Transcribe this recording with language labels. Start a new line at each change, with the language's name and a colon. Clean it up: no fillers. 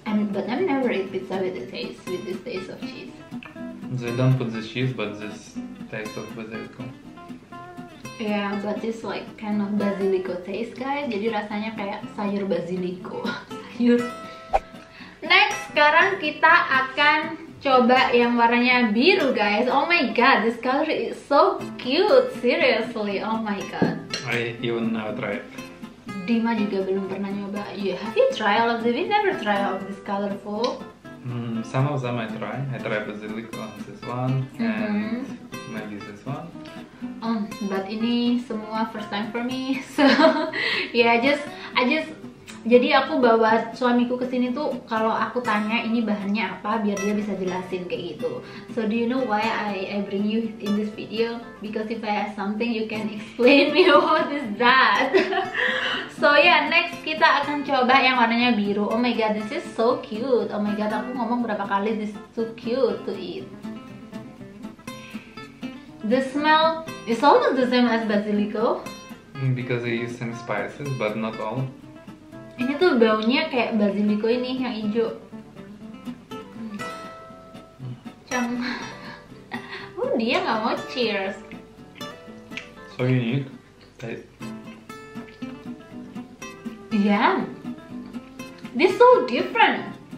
English: But I've never eat pizza with this taste of cheese. They don't put the cheese, but this taste of basilico. Yeah, but this like kind of basilico taste, guys.
Indonesian: Jadi rasanya kayak sayur basilico. Sayur. Next, sekarang kita akan coba yang warnanya biru, guys.
English: Oh my god, this color is so cute. Seriously, oh my god. I even never try it.
Indonesian: Dima juga belum pernah nyoba.
English: Yeah, have you tried all of this? We never try all of this colorful. Some of them I try. I try basilico on this one and maybe this one. But
Indonesian: ini semua
English: first time for me. So yeah, I just.
Indonesian: Jadi aku bawa suamiku kesini tuh kalau aku tanya ini bahannya apa biar dia bisa jelasin kayak gitu.
English: So do you know why I bring you in this video? Because if I ask something, you can explain me what is that. So yeah, next
Indonesian: kita akan coba yang warnanya biru.
English: Oh my god, this is so cute. Oh my god,
Indonesian: aku ngomong berapa kali
English: this is too cute to eat. The smell is almost the same as basilico. Because they use some spices, but not all.
Indonesian: Ini tuh baunya kayak basiliko ini yang hijau. Cang. Oh, dia nggak mau cheers.
English: So you need taste. Yeah. This so different.